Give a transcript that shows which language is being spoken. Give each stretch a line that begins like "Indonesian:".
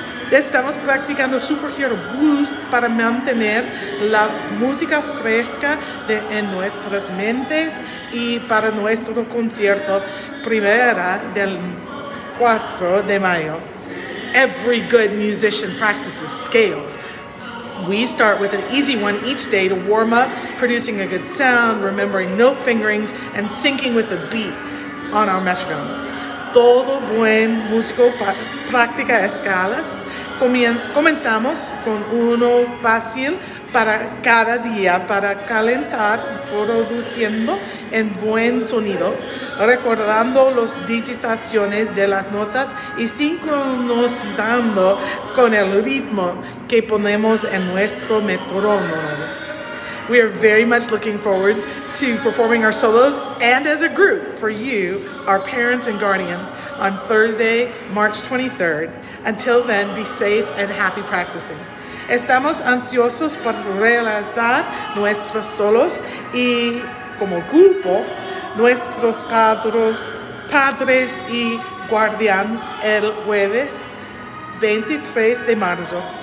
Spanish: Estamos practicando superhero blues para mantener la música fresca en nuestras mentes y para nuestro concierto primera del 4 de mayo.
English: Every good musician practices scales. We start with an easy one each day to warm up, producing a good sound, remembering note fingerings, and syncing with the beat on our metronome.
Spanish: Todo buen músico practica escalas. Comenzamos con uno fácil para cada día para calentar, produciendo en buen sonido, recordando las digitaciones de las notas y sincronizando con el ritmo que ponemos en nuestro metrónomo.
English: We are very much looking forward to performing our solos and as a group for you, our parents and guardians, on Thursday, March 23rd. Until then, be safe and happy practicing.
Spanish: Estamos ansiosos por realizar nuestros solos y como grupo, nuestros padres y guardianes el jueves 23 de marzo.